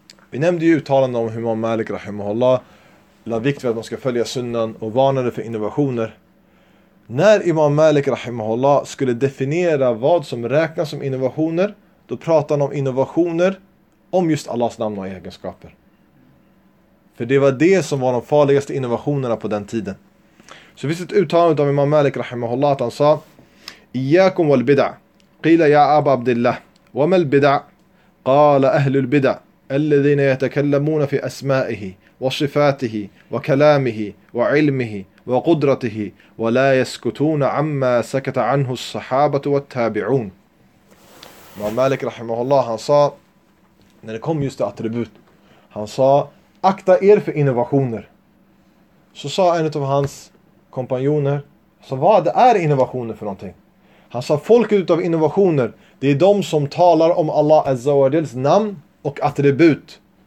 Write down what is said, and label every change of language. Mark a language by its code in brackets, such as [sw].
[sv] Vi nämnde ju uttalanden om hur Imam Malik rahimahullah la vikt vid att man ska följa sunnan och varnade för innovationer. När Imam Malik rahimahullah skulle definiera vad som räknas som innovationer, då pratade han om innovationer om just Allahs namn och egenskaper. För det var det som var de farligaste innovationerna på den tiden. Så det finns ett uttalande av Imam Malik rahimahullah att han sa: [ar] إياكم والبدع قيل يا أبا عبد الله وما البدع قال أهل البدع الذين يتكلمون في أسمائه وصفاته وكلامه وعلمه وقدرته ولا يسكتون عما سكت عنه الصحابة والتابعون. [sv] مالك رحمه الله han sa, när det kom just attribut, han sa: akta er för innovationer. Så sa en av hans kompanjoner: så vad är innovationer för någonting? Han sa: folket utav innovationer, det är de som talar om Allah Azza wa Jalls namn och attribut.